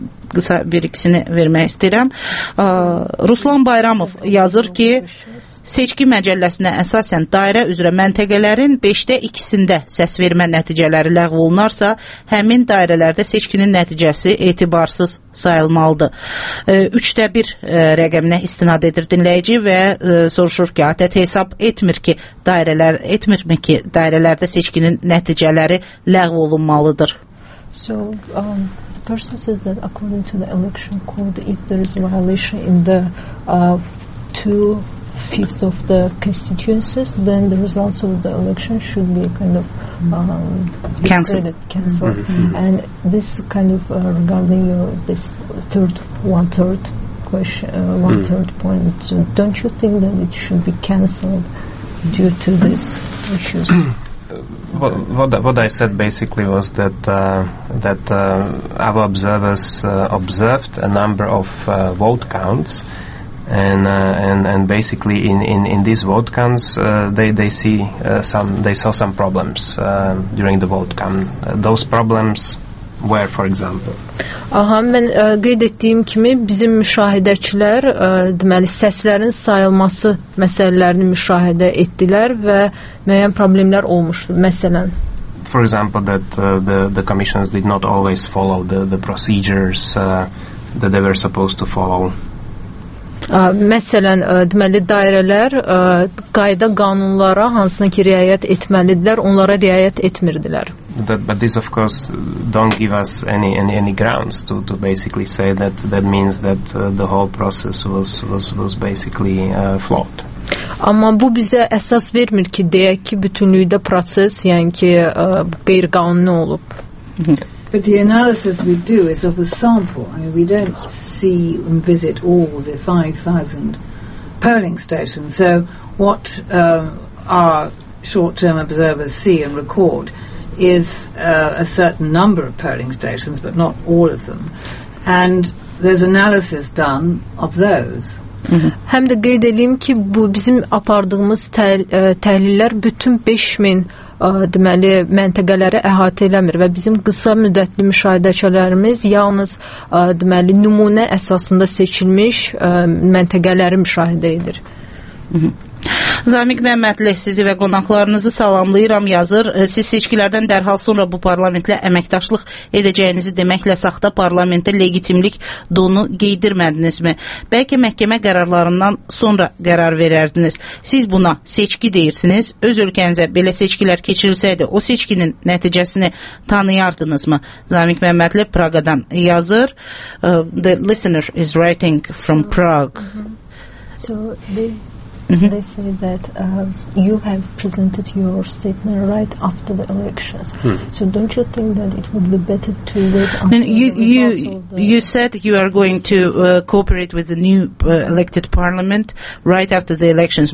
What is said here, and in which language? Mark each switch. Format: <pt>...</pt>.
<az>Qısa bir ikisini vermək istəyirəm. Ruslan Bayramov yazır ki, seçki məcəlləsinə əsasən dairə üzrə məntəqələrin 5-də 2-sində səs vermə nəticələri ləğv olunarsa, həmin dairələrdə seçkinin nəticəsi etibarsız sayılmalıdır. 3-də 1 rəqəminə istinad edir dinləyici və soruşur ki, ATƏT hesab etmirmi ki, dairələrdə seçkinin nəticələri ləğv olunmalıdır?</az> <en>So, the person says that according to the election code, if there is a violation in the 2/5 of the constituencies, then the results of the election should be kind of cancelled. Mm-hmm. And this kind of regarding this one third point, so don't you think that it should be cancelled due to these issues? What I said basically was that our observers observed a number of vote counts, and basically in these vote counts they saw some problems during the vote count. Those problems were, for example.</en> <az>Aha, mən qeyd etdiyim kimi bizim müşahidəçilər deməli səslərin sayılması məsələlərini müşahidə etdilər və müəyyən problemlər olmuşdu. Məsələn,</az> <en>for example, that the commissions did not always follow the procedures that they were supposed to follow.</en> <az>Məsələn, deməli dairələr qayda qanunlara hansına ki riayət etməlidirlər, onlara riayət etmirdilər.</az> <en>But this of course don't give us any grounds to basically say that means that the whole process was basically flawed.</en> <az>Amma bu bizə əsas vermir ki, deyək ki, bütünlükdə proses, yəni ki, qeyri-qanuni olub.</az> <en>But the analysis we do is of a sample. I mean, we don't see and visit all the 5,000 polling station. So what our short-term observers see and record is a certain number of polling stations, but not all of them. And there's analysis done of those.</en> <az>Həm də qeyd edeyim ki, bu bizim apardığımız təhlillər bütün 5000 deməli məntəqələri əhatə eləmir və bizim qısa müddətli müşahidəçilərimiz yalnız deməli nümunə əsasında seçilmiş məntəqələri müşahidə edir. Zamiq Məmmədli, sizi və qonaqlarınızı salamlayıram, yazır. Siz seçkilərdən dərhal sonra bu parlamentlə əməkdaşlıq edəcəyinizi deməklə saxta parlamentə legitimlik donu qeydirmədinizmi? Bəlkə məhkəmə qərarlarından sonra qərar verərdiniz. Siz buna seçki deyirsiniz. Öz ölkənizə belə seçkilər keçirilsəydi, o seçkinin nəticəsini tanıyardınızmı? Zamiq Məmmədli Praqadan yazır.</az> <en>The listener is writing from Prague. Mm-hmm. They say that you have presented your statement right after the elections. So don't you think that it would be better to wait until then you said you are going to cooperate with the new elected parliament right after the elections.</en>